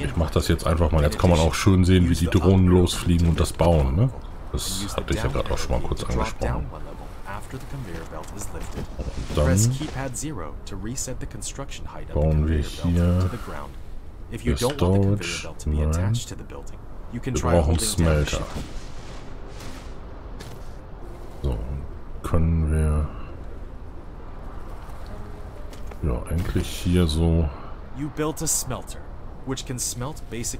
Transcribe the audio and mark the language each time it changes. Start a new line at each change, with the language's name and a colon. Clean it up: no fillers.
German: Ich mache das jetzt einfach mal. Jetzt kann man auch schön sehen, wie die Drohnen losfliegen und das bauen. Ne? Das hatte ich ja gerade auch schon mal kurz angesprochen.
English: After the conveyor belt is lifted, press keypad 0 to reset the construction height of the conveyor belt to the ground. If you don't want the conveyor belt to be attached to the building, you can try holding down the shift key.
German: So, können wir ja eigentlich hier so
English: you built a smelter, which can smelt basic